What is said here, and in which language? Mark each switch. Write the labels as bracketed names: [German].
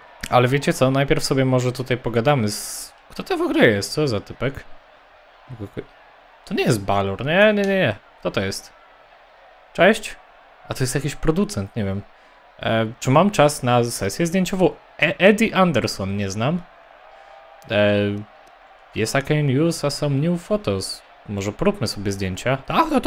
[Polish] Ale wiecie co, najpierw sobie może tutaj pogadamy z... Kto to w ogóle jest? Co za typek? To nie jest Balor, nie. Kto to jest? Cześć? A to jest jakiś producent, nie wiem. Czy mam czas na sesję zdjęciową? Eddie Anderson, nie znam. [English] Yes, I can use some new photos. [Polish] Może próbmy sobie zdjęcia. Ta.